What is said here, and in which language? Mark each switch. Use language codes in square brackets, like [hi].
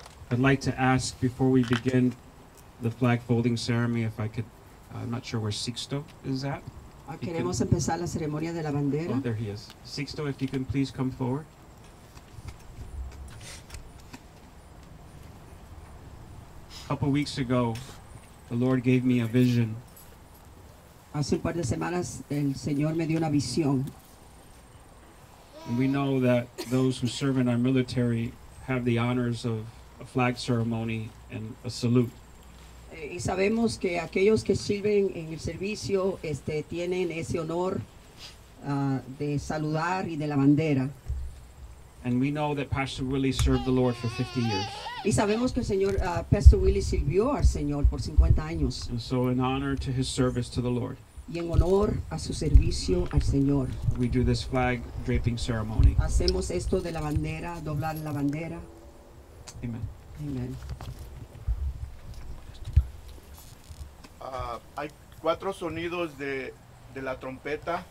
[en] I'd like to ask before we begin the flag folding ceremony if I could, I'm not sure where Sixto is at. [es] Queremos empezar la ceremonia de la bandera. [en] Oh, there he is. Sixto, if you can please come forward. couple weeks ago, the Lord gave me a vision. [es] Hace un par de semanas, el Señor me dio una visión. [en] And we know that those who serve in our military have the honors of a flag ceremony and a salute. [es] Y sabemos que aquellos que sirven en el servicio tienen ese honor de saludar y de la bandera. [en] And we know that Pastor Willie served the Lord for 50 years. [es] Y sabemos que el señor Pastor Willie sirvió al Señor por 50 años. [en] And so in honor to his service to the Lord. [es] Y en honor a su servicio al Señor. [en] We do this flag draping ceremony. [es] Hacemos esto de la bandera, doblar la bandera. [en] Amen. [es] Amen. Hay cuatro sonidos de la trompeta.